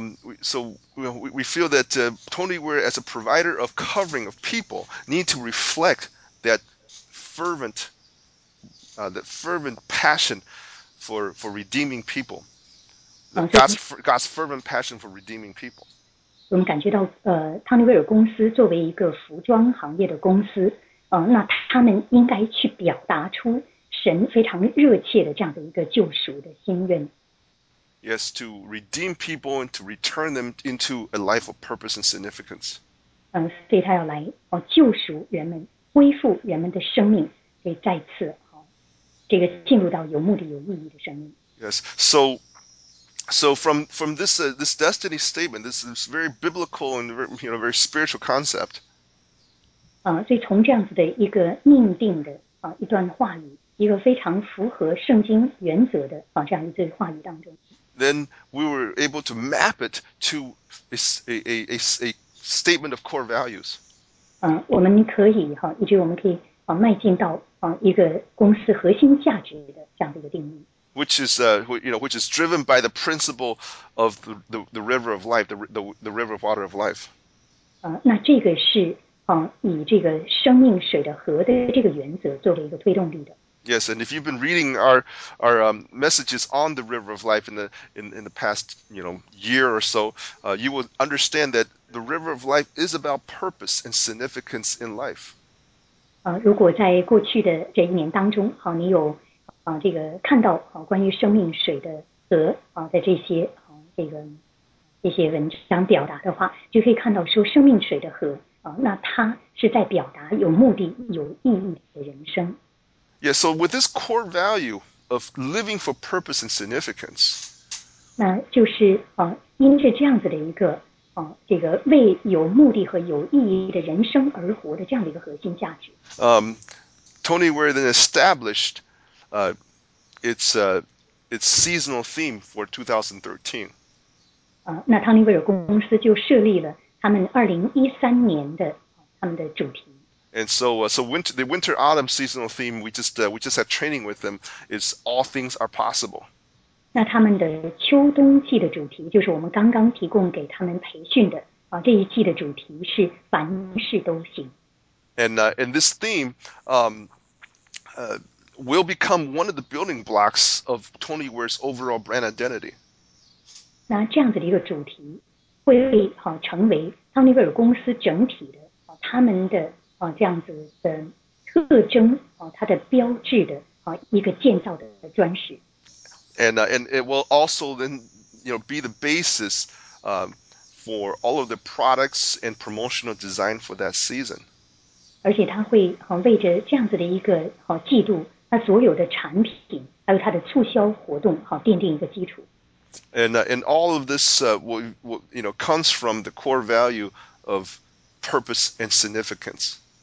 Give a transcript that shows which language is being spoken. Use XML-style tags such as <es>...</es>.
<en>And so we feel that Tony Ware as a provider of covering of people need to reflect that fervent passion for redeeming people. God's fervent passion for redeeming people.</en> <zh>我们感觉到汤尼威尔公司作为一个服装行业的公司那他们应该去表达出神非常热切的这样的一个救赎的心愿。</zh> <en>Yes, to redeem people and to return them into a life of purpose and significance.</en> <zh>所以他要来救赎人们，恢复人们的生命，可以再次这个进入到有目的有意义的生命。</zh> <en>Yes, So from this this destiny statement, this is very biblical and very, you know, very spiritual concept.</en> <zh>所以从这样子的一个命定的一段话语，一个非常符合圣经原则的这样一段话语当中。</zh> <en>Then we were able to map it to a statement of core values.</en> <zh>我们可以以及我们可以迈进到一个公司核心价值的这样的一个定义。</zh> <en>Which is you know, which is driven by the principle of the river of life, the river of water of life.</en> <zh>那这个是以这个生命水的河的这个原则作为一个推动力的。</zh> <en>Yes, and if you've been reading our messages on the River of Life in the past, you know, year or so, you will understand that the River of Life is about purpose and significance in life.</en> <zh>如果在过去的这一年当中，你有这个看到关于生命水的河的这些这些文章表达的话，就可以看到说生命水的河那它是在表达有目的、有意义的人生。</zh> <en>Yeah, so with this core value of living for purpose and significance,</en> <zh>那就是因着这样子的一个这个为有目的和有意义的人生而活的这样的一个核心价值。</zh> <en>Tony Ware then established its seasonal theme for 2013.</en> <zh>那汤尼威尔公司就设立了他们2013年的他们的主题。</zh> <en>And so, the winter autumn seasonal theme we just had training with them is all things are possible.</en> <zh>那他们的秋冬季的主题就是我们刚刚提供给他们培训的这一季的主题是凡事都行。</zh> <en>And this theme will become one of the building blocks of Tony Ware's overall brand identity.</en> <zh>那这样子的一个主题会成为汤尼威尔公司整体的他们的。这样子的特征它的标志的一个建造的专石。</zh> <en>And it will also then, you know, be the basis for all of the products and promotional design for that season.</en> <zh>而且它会为着这样子的一个季度，它所有的产品还有它的促销活动奠定一个基础。</zh> <en>And all of this will you know comes from the core value of purpose and significance.</en>